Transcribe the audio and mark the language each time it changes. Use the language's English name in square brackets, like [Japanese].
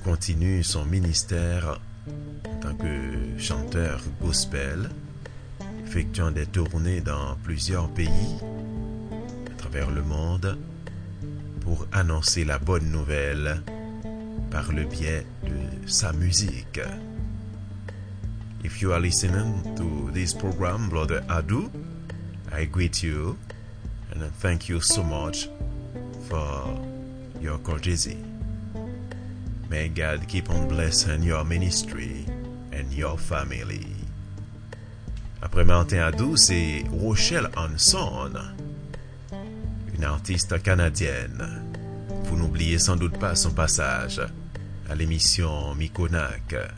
[French] continue son ministère en tant que chanteur gospel, effectuant des tournées dans plusieurs pays à travers le monde pour annoncer la bonne nouvelle par le biais de sa musique. [English] If you are listening to this program, Brother Adu, I greet you and thank you so much for your courtesy. May God keep on blessing your ministry and your family. [French] Après Martin Adu, c'est Rochelle Hanson, une artiste canadienne. Vous n'oubliez sans doute pas son passage à l'émission Mikonak.